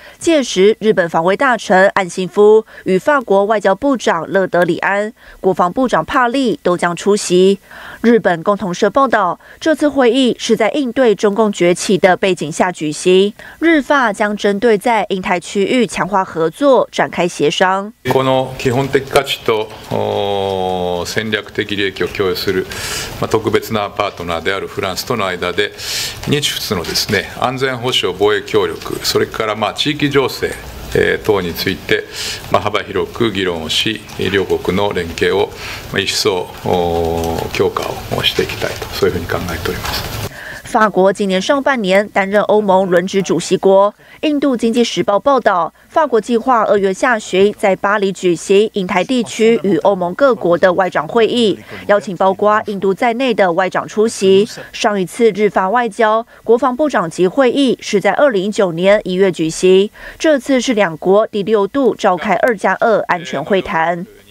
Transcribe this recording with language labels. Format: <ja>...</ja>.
<zh>届时，日本防卫大臣岸信夫与法国外交部长勒德里安、国防部长帕利都将出席。日本共同社报道，这次会议是在应对中共崛起的背景下举行。日法将针对在印太区域强化合作展开协商。</zh> <ja>この基本的価値と戦略的利益を共有する特別なパートナーであるフランスとの間で、日仏のですね、安全保障防衛協力、それから地域情勢等について幅広く議論をし、両国の連携を一層強化をしていきたいと、そういうふうに考えております。</ja> <zh>法国今年上半年担任欧盟轮值主席国。印度经济时报报道，法国计划2月下旬在巴黎举行印太地区与欧盟各国的外长会议，邀请包括印度在内的外长出席。上一次日法外交国防部长级会议是在2019年1月举行，这次是两国第6度召开2+2安全会谈。</zh>